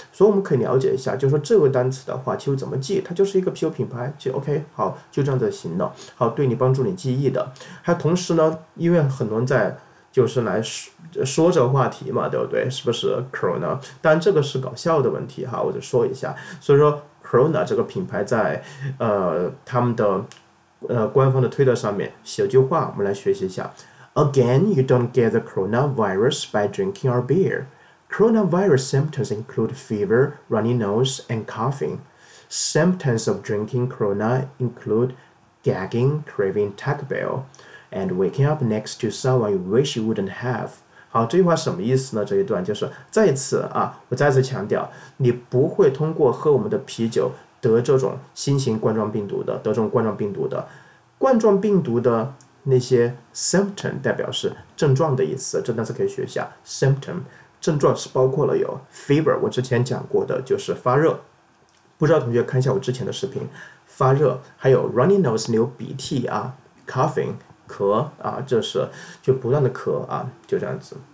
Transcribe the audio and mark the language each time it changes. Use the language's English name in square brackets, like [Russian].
[Chinese] 所以我们可以了解一下，就是说这个单词的话，其实怎么记，它就是一个啤酒品牌，就 OK，好，就这样子行了，好，对你帮助你记忆的。还同时呢，因为很多人在就是来说这个话题嘛，对不对？是不是 Corona？当然这个是搞笑的问题哈，我就说一下。所以说 Corona 这个品牌在他们的官方的推特上面写了句话，我们来学习一下。 [English] Again, you don't get the coronavirus by drinking our beer. Coronavirus symptoms include fever, runny nose, and coughing. Symptoms of drinking Corona include gagging, craving Taco Bell, and waking up next to someone you wish you wouldn't have. [Chinese] 好，这句话什么意思呢？这一段就是再一次啊，我再次强调，你不会通过喝我们的啤酒得这种新型冠状病毒的，得这种冠状病毒的，冠状病毒的。那些 symptom 代表是症状的意思，这单词可以学一下 symptom， 症状是包括了有 fever， 我之前讲过的就是发热，不知道同学看一下我之前的视频，发热，还有 runny nose 流鼻涕啊， coughing 咳啊，这是就不断的咳啊，就这样子。